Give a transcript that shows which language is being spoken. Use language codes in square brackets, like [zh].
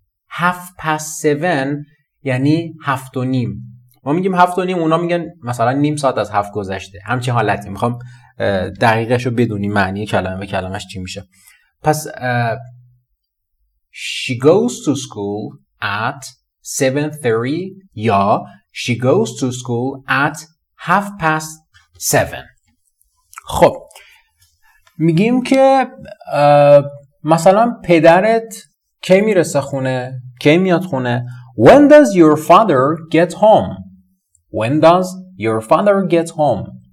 [en] Half past seven [fa] یعنی هفت و نیم. ما میگیم هفت و نیم، اونا میگن مثلا نیم ساعت از هفت گذشته. همچین حالتی. میخوام دقیقش رو بدونی معنی کلمه به کلمش چی میشه. [en] پس she goes to school at 7:30 یا she goes to school at 7:30. [fa] خب میگیم که مثلا پدرت کی میرسه خونه، کی میاد خونه. [en] When does your father get home. When does your father get home.